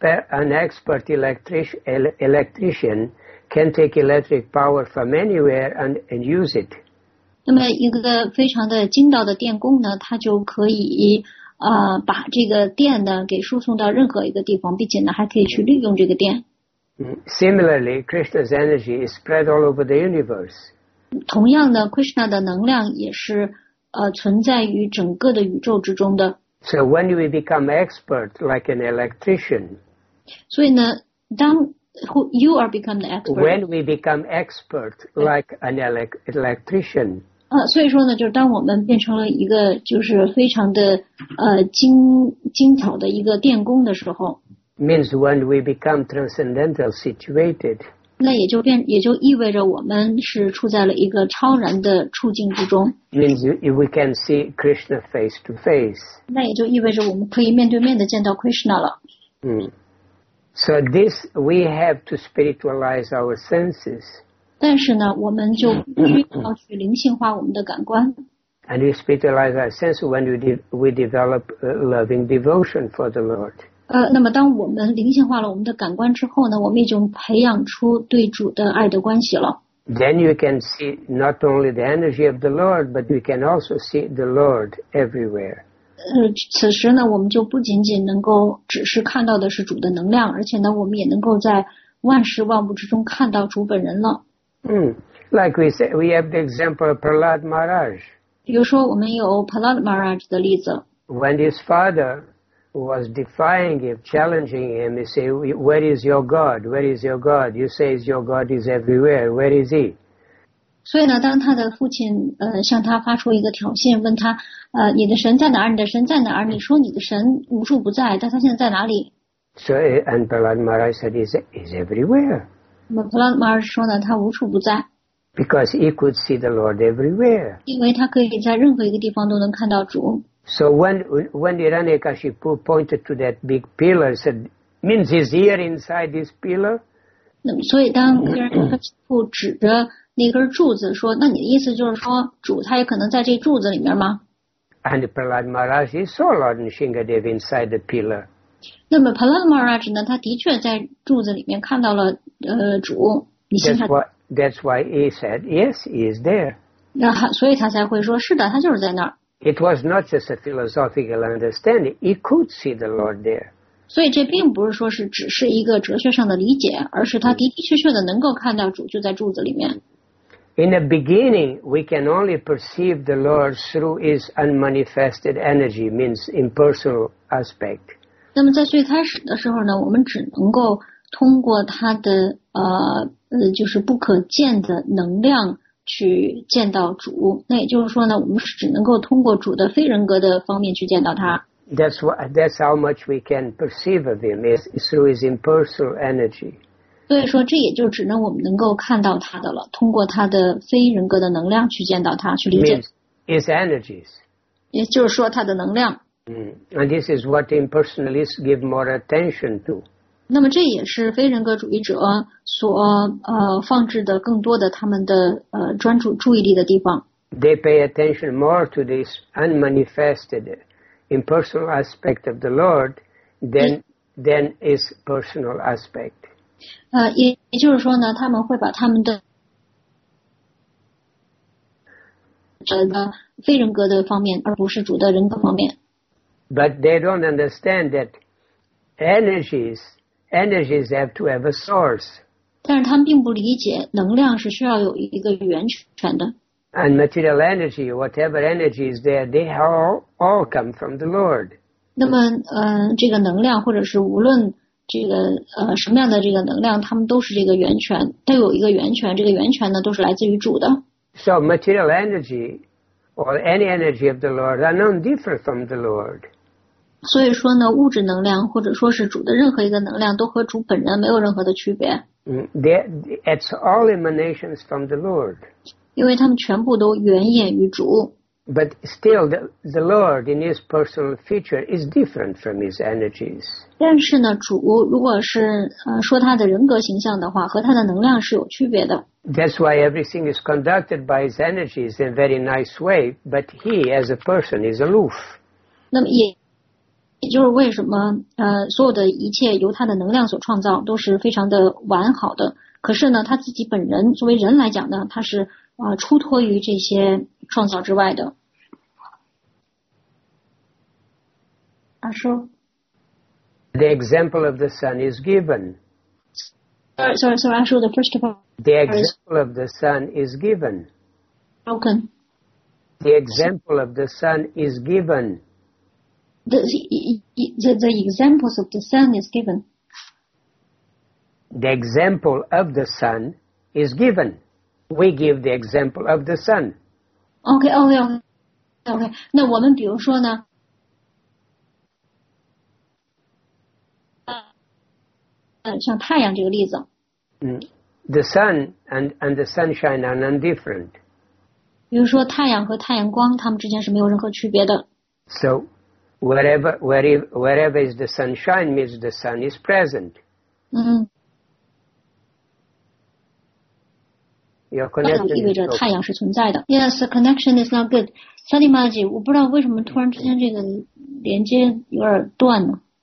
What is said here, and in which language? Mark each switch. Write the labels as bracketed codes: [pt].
[en] An expert electrician can take electric power from anywhere and use it. [zh] 那么一个非常的精到的电工呢他就可以把这个电呢给输送到任何一个地方并且呢还可以去利用这个电。 [en] Similarly, Krishna's energy is spread all over the universe. [zh] 同样呢 ,Krishna 的能量也是存在于整个的宇宙之中的。 [en] So when we become expert like an electrician, [zh] 所以呢当 [en] you are become the expert. When we become expert like an electrician, [zh] 所以说呢就是当我们变成了一个就是非常的精巧的一个电工的时候。 [en] Means when we become transcendental situated. [zh] 那也就意味着我们是处在了一个超然的处境之中。 [en] Means we can see Krishna face to face. [zh] 那也就意味着我们可以面对面的见到 Krishna 了。 [en] So this, we have to spiritualize our senses. [zh] 但是呢我们就需要去灵性化我们的感官。 [en] And we spiritualize our senses when we develop loving devotion for the Lord. [zh] 那么当我们灵性化了我们的感官之后呢我们已经培养出对主的爱的关系了。 [en] Then you can see not only the energy of the Lord, but you can also see the Lord everywhere. [zh] 此时呢我们就不仅仅能够只是看到的是主的能量而且呢我们也能够在万事万物之中看到主本人了。 [en] Like we say, we have the example of Prahlad Maharaj. [zh] 比如说我们有 Prahlad Maharaj 的例子。 [en] When his father,was defying him, challenging him, he said, where is your God? Where is your God? You say your God is everywhere. Where is he? [zh] 所以呢当他的父亲向他发出一个挑衅问他你的神在哪儿你的神在哪儿你说你的神无处不在但他现在在哪里 [en] So, and Prahlad Maharaj said, he's everywhere. [zh] 那么 Prahlad Maharaj 说呢他无处不在 [en] Because he could see the Lord everywhere. [zh] 因为他可以在任何一个地方都能看到主。 [en] So when Hiranyakashipu pointed to that big pillar, said, means he's here inside this pillar? [zh] 所以当 Hiranyakashipu 指着那根柱子说那你的意思就是说主他也可能在这柱子里面吗 [en] And Prahlad Maharaj, he saw Lord Nrisimhadev inside the pillar. [zh] 那么 Prahlad Maharaj 呢他的确在柱子里面看到了主 [en] That's why he said, yes, he is there. [zh] 所以他才会说是的他就是在那儿。 [en] It was not just a philosophical understanding. He could see the Lord there. [zh] 所以这并不是说是只是一个哲学上的理解，而是他的的确确的能够看到主就在柱子里面。 [en] In the beginning, we can only perceive the Lord through his unmanifested energy, means impersonal aspect. [zh] 那么在最开始的时候呢，我们只能够通过他的就是不可见的能量。去见到主那也就是说呢我们只能够通过主的非人格的方面去见到他。 [en] That's how much we can perceive of him is through his impersonal energy. [zh] 所以说这也就只能我们能够看到他的了，通过他的非人格的能量去见到他，去理解。 [en] His energies. [zh] 也就是说他的能量。 [en] And this is what impersonalists give more attention to. [zh] 那么这也是非人格主义者所放置的更多的他们的专注注意力的地方。 [en] They pay attention more to this unmanifested impersonal aspect of the Lord than his personal aspect. [zh] 也就是说呢，他们会把他们的非人格的方面，而不是主的人格方面。 [en] But they don't understand that energies have to have a source. [zh] 但是他们并不理解，能量是需要有一个源泉的。 [en] And material energy, whatever energy is there, they all come from the Lord. [zh] 那么，这个能量，或者是无论这个什么样的这个能量，它们都是这个源泉，都有一个源泉。这个源泉呢，都是来自于主的。 [en] So material energy or any energy of the Lord are none different from the Lord. [zh] 所以说呢，物质能量或者说是主的任何一个能量，都和主本人没有任何的区别。 [en] It's all emanations from the Lord. [zh] 因为他们全部都源演于主。 [en] But still, the Lord in his personal feature is different from his energies. [zh] 但是呢，主如果是说他的人格形象的话，和他的能量是有区别的。 [en] That's why everything is conducted by his energies in a very nice way, but he as a person is aloof. [zh] 那么也就是为什么所有的一切由他的能量所创造都是非常的完好的，可是呢，他自己本人作为人来讲呢，他是出脱于这些创造之外的。阿叔 [en] ，The example of the sun is given. Sorry, 阿叔 ，the first part. The example of the sun is given. Broken. The example of the sun is given. The examples of the sun is given. The example of the sun is given. We give the example of the sun. [zh] Okay. 那我们比如说呢？像太阳这个例子。 [en] The sun and the sunshine are none different. [zh] 比如说太阳和太阳光，它们之间是没有任何区别的。 [en] So, wherever is the sunshine means the sun is present. Your connection [zh] 意味着太阳是存在的。 [en] Yes, the connection is not good. [zh] Sunny Maji, 我不知道为什么突然之间这个连接有点断呢。